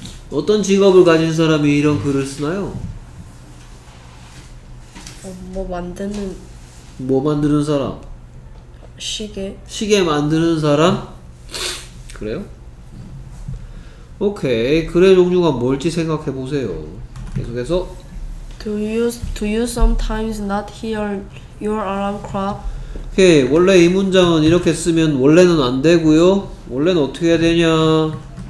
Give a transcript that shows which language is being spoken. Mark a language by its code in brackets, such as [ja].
[ko] 어떤 직업을 가진 사람이 이런 글을 쓰나요? 뭐 만드는 사람? 시계 만드는 사람? 그래요? 오케이, 글의 종류가 뭘지 생각해 보세요. 계속해서 [en] Do you sometimes not hear your alarm clock? [ko] 오케이, 원래 이 문장은 이렇게 쓰면 원래는 안 되고요. 원래는 어떻게 해야 되냐?